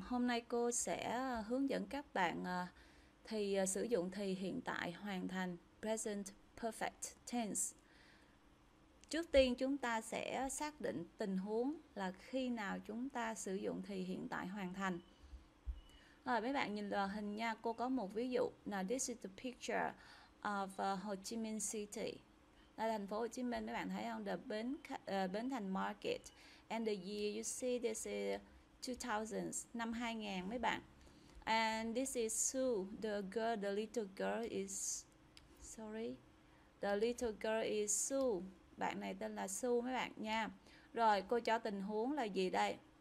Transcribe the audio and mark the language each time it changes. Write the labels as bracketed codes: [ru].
[vi] Hôm nay cô sẽ hướng dẫn các bạn thì sử dụng thì hiện tại hoàn thành present perfect tense. Trước tiên chúng ta sẽ xác định tình huống là khi nào chúng ta sử dụng thì hiện tại hoàn thành. Rồi mấy bạn nhìn vào hình nha, cô có một ví dụ. [en] Now this is the picture of Ho Chi Minh City. [vi] Đây là thành phố Hồ Chí Minh, mấy bạn thấy không? Bến Thành Market. [en] And the year you see this is 2000s, [vi] năm 2000 mấy bạn. [en] And this is Sue, the little girl is Sue. [vi] Bạn này tên là Sue mấy bạn nha. Rồi cô cho tình huống là gì đây?